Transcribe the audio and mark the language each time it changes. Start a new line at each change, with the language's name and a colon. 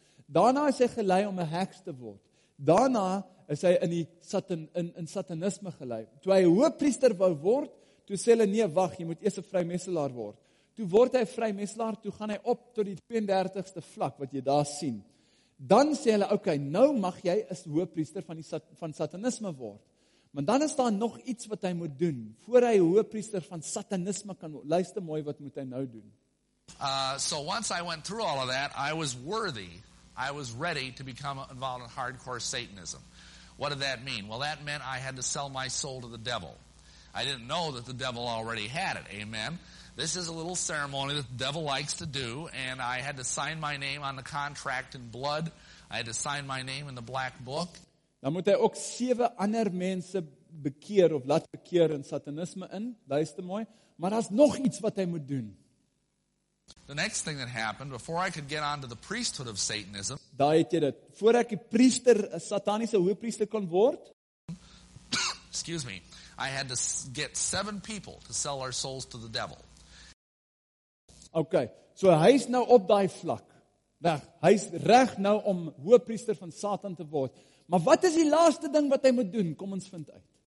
Afrikaans: Daarna is hy gelei om 'n heks te word. Daarna is hy in satanisme gelei. Toe hy hoofpriester wou word, toe sê hulle, nee, wacht, jy moet eers 'n vrymesselaar word. Toe word hy vrymesselaar, toe gaan hy op tot die 32ste vlak, wat jy daar sien. Dan sê hulle, okay, nou mag jy as hoofpriester van satanisme word. Maar dan is daar nog iets wat hy moet doen, voor hy hoofpriester van satanisme kan word. Luister mooi, wat moet hy nou doen?
English: So once I went through all of that, I was worthy, I was ready to become involved in hardcore Satanism. What did that mean? Well, that meant I had to sell my soul to the devil. I didn't know that the devil already had it, amen? This is a little ceremony that the devil likes to do, and I had to sign my name on the contract in blood. I had to sign my name in the black book.
Afrikaans: Dan moet hy ook 7 ander mense bekeer of laat bekeer in satanisme in, luister mooi, maar daar's nog iets wat hy moet doen.
English: The next thing that happened, before I could get on to the priesthood of Satanism,
Afrikaans: daar het jy dit, voor ek die priester, sataniese hoofpriester kon word,
English: excuse me, I had to get 7 people to sell our souls to the devil.
Afrikaans: Okay, so hy is nou op die vlak, weg, hy is reg nou om hoofpriester van Satan te word, maar wat is die laaste ding wat hy moet doen, kom ons vind uit.